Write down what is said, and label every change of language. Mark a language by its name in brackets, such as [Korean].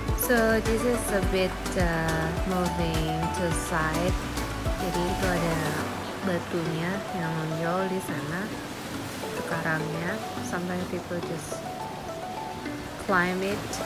[English] So this is a bit moving to side. [Indonesian] Jadi itu ada batunya yang menonjol di sana, karangnya. [English] Sometimes people just climb it.